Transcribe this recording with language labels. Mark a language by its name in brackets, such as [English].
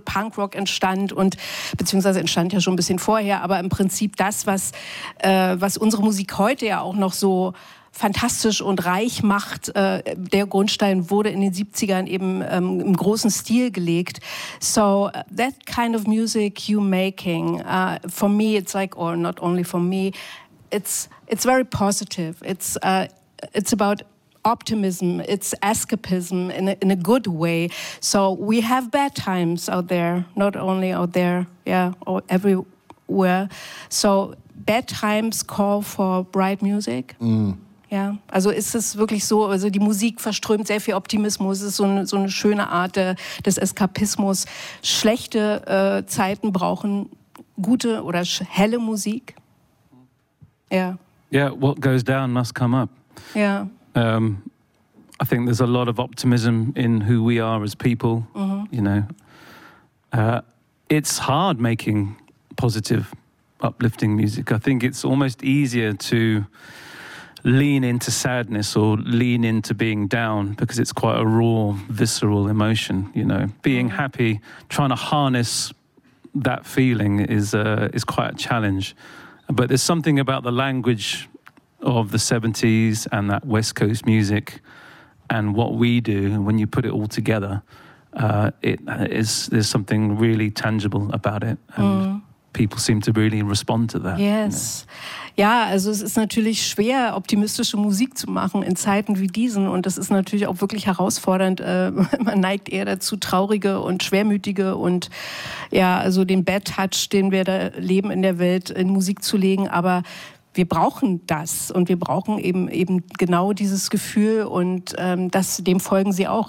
[German] Punkrock entstand und beziehungsweise entstand ja schon ein bisschen vorher, aber im Prinzip das, was unsere Musik heute ja auch noch so fantastisch und reich macht. Der Grundstein wurde in den 70ern eben im großen Stil gelegt. [English] So that kind of music you making, for me, it's like, or not only for me, it's very positive. It's about optimism. It's escapism in a good way. So we have bad times out there, not only out there, yeah, or everywhere. So bad times call for bright music. Mm. [German] Ja, also ist es wirklich so, also die Musik verströmt sehr viel Optimismus, es ist so eine schöne Art des Eskapismus. Schlechte Zeiten brauchen gute oder helle Musik. Ja. [English] Yeah, what goes down must come up. [German] Ja. [English] I think there's a lot of optimism in who we are as people, mm-hmm. you know. It's hard making positive, uplifting music. I think it's almost easier to lean into sadness or lean into being down because it's quite a raw, visceral emotion, you know. Being happy, trying to harness that feeling is quite a challenge. But there's something about the language of the 70s and that West Coast music and what we do, and when you put it all together, there's something really tangible about it. And people seem to really respond to that. Yes. You know? [German] Ja, also es ist natürlich schwer, optimistische Musik zu machen in Zeiten wie diesen. Und das ist natürlich auch wirklich herausfordernd. Man neigt eher dazu, traurige und schwermütige und ja, also den Bad Touch, den wir da leben in der Welt, in Musik zu legen. Aber wir brauchen das und wir brauchen eben genau dieses Gefühl und das, dem folgen sie auch.